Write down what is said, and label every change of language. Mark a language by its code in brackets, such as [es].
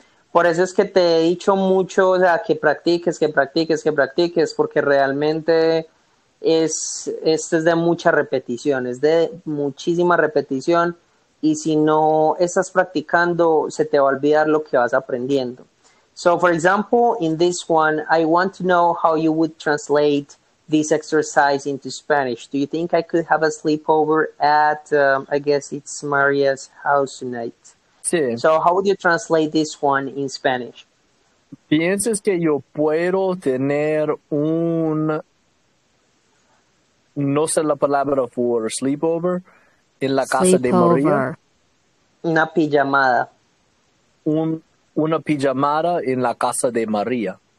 [es] por eso es que te he dicho mucho, o sea, que practiques, que practiques, que practiques, porque realmente es de mucha repetición, es de muchísima repetición, y si no estás practicando, se te va a olvidar lo que vas aprendiendo. [en] So, for example, in this one, I want to know how you would translate this exercise into Spanish. Do you think I could have a sleepover at, I guess it's Maria's house tonight? [es] Sí. [en] So, how would you translate this one in Spanish? [es] ¿Piensas que yo puedo tener un, no sé la palabra [en] for sleepover [es] en la casa de María? [en] Sleepover. [es] Una pijamada. Una pijamada en la casa de María.